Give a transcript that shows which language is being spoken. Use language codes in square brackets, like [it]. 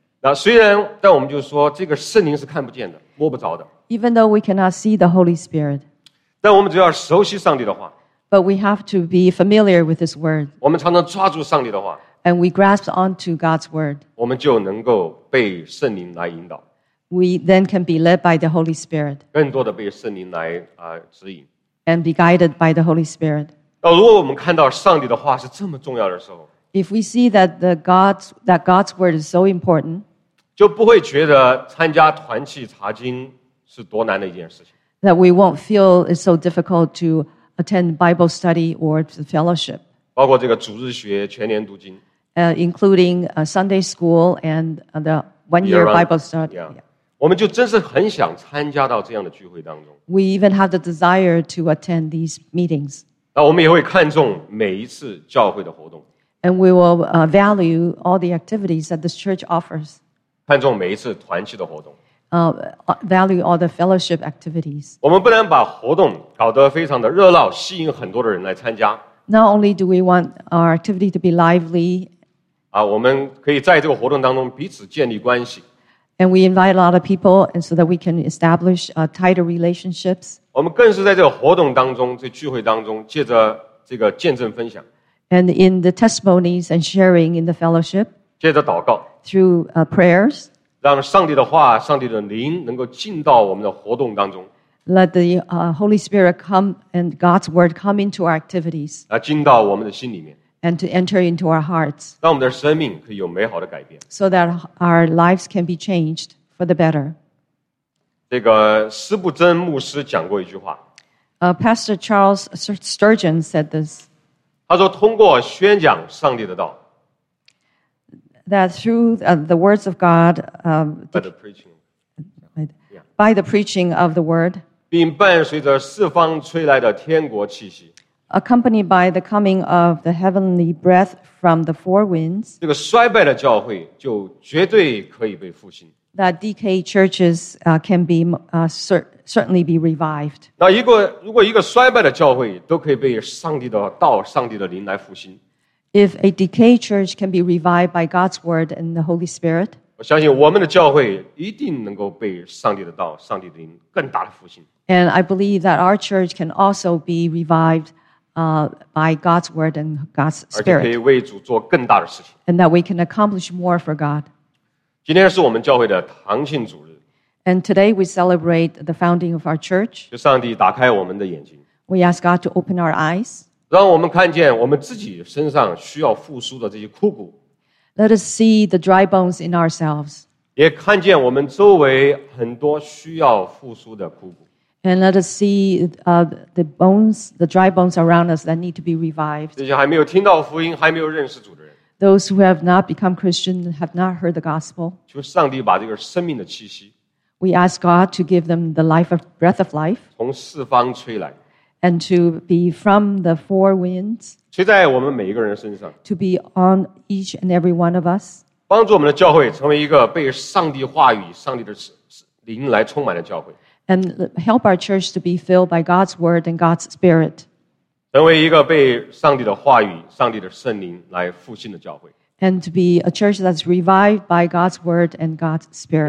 [zh] 那虽然但我们就说这个圣灵是看不见的摸不着的。 [en] Even though we cannot see the Holy Spirit. [zh] 但我们只要熟悉上帝的话。 [en] But we have to be familiar with this word. [zh] 我们常常抓住上帝的话。 [en] And we grasp onto God's word. [zh] 我们就能够被圣灵来引导。 [en] We then can be led by the Holy Spirit. [zh] 更多的被圣灵来指引。 [en] And be guided by the Holy Spirit. [zh] 如果我们看到上帝的话是这么重要的时候 [en] ，If we see that God's word is so important, [zh] 就不会觉得参加团契查经是多难的一件事情。 [en] That we won't feel it's so difficult to attend Bible study or the fellowship. [zh] 包括这个主日学全年读经 [en] including a Sunday school and the one-year Bible study. Yeah. Yeah. [zh] 我们就真是很想参加到这样的聚会当中。 [en] We even have the desire to attend these meetings. [zh] 那我们也会看重每一次教会的活动。 [en] And we will value all the activities that this church offers. [zh] 看重每一次团契的活动。 [en] Value all the fellowship activities. [zh] 我们不能把活动搞得非常的热闹，吸引很多的人来参加。 [en] Not only do we want our activity to be lively. [zh] 啊，我们可以在这个活动当中彼此建立关系。 [en] And we invite a lot of people, and so that we can establish tighter relationships. [zh] 我们更是在这个活动当中，这聚会当中，借着这个见证分享。 [en] And in the testimonies and sharing in the fellowship. [zh] 借着祷告。 [en] Through prayers. [zh] 让上帝的话、上帝的灵能够进到我们的活动当中。 [en] Let the Holy Spirit come and God's word come into our activities. [zh] 来进到我们的心里面。 [en] And to enter into our hearts. [zh] 让我们的生命可以有美好的改变。 [en] So that our lives can be changed for the better. [zh] 这个斯布珍牧师讲过一句话。 [en] Pastor Charles Sturgeon said this. [zh] 他说通过宣讲上帝的道。 [en] That through the words of God. By the preaching. By the preaching of the word. [zh] 并伴随着四方吹来的天国气息。 [en] Accompanied by the coming of the heavenly breath from the four winds, [zh] 这个衰败的教会就绝对可以被复兴。 [en] That decayed churches can be certainly be revived. [zh] 那如果一个衰败的教会都可以被上帝的道、上帝的灵来复兴 [en] ，If a decayed church can be revived by God's word and the Holy Spirit, [zh] 我我相信我们的教会一定能够被上帝的道、上帝的灵更大的复兴。 [en] And I believe that our church can also be revived, by God's word and God's spirit. [zh] 而且可以为主做更大的事情。 [en] And that we can accomplish more for God. [zh] 今天是我们教会的堂庆主日。 [en] And today we celebrate the founding of our church. [zh] 就上帝打开我们的眼睛。 [en] We ask God to open our eyes. [zh] 让我们看见我们自己身上需要复苏的这些枯骨。 [en] Let us see the dry bones in ourselves. [zh] 也看见我们周围很多需要复苏的枯骨。 [en] And let us see the bones, the dry bones around us that need to be revived. [zh] 这些还没有听到福音，还没有认识主的人。 [en] Those who have not become Christian, have not heard the gospel. [zh] 求上帝把这个生命的气息。 [en] We ask God to give them the life of breath of life. [zh] 从四方吹来。 [en] And to be from the four winds. [zh] 吹在我们每一个人身上。 [en] To be on each and every one of us. [zh] 帮助我们的教会成为一个被上帝话语、上帝的灵来充满的教会。 [en] And help our church to be filled by God's word and God's spirit. [zh] 成为一个被上帝的话语、上帝的圣灵来复兴的教会。 [en] And to be a church that's revived by God's word and God's spirit.